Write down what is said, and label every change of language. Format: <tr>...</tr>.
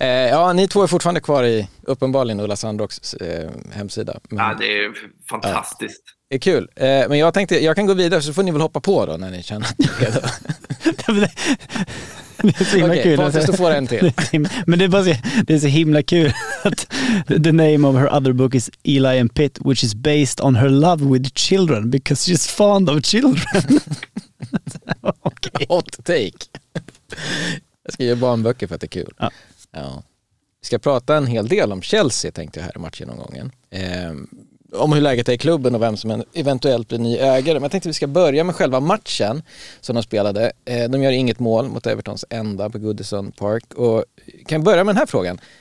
<sv>Ja, ni två är fortfarande kvar i uppenbarligen Ulla Sandrocks hemsida. Men, ja, det är fantastiskt. Det är kul. Men jag tänkte, jag kan gå vidare så får ni väl hoppa på då när ni känner att det är så himla okej, kul. Okej, får en till. Men det är så himla kul att</sv> <en>the name of her other book is Eli and Pitt, which is based on her love with children because she's fond of children. Okay. Hot take.</en> <sv>Jag ska göra barnböcker för att det är kul. Ja. Ja. Vi ska prata en hel del om Chelsea, tänkte jag, här i matchgenomgången. Om hur läget är i klubben och vem som eventuellt blir ny ägare. Men jag tänkte vi ska börja med själva matchen som de spelade. De gör inget mål mot Evertons enda på Goodison Park. Och kan börja med den här frågan.</sv>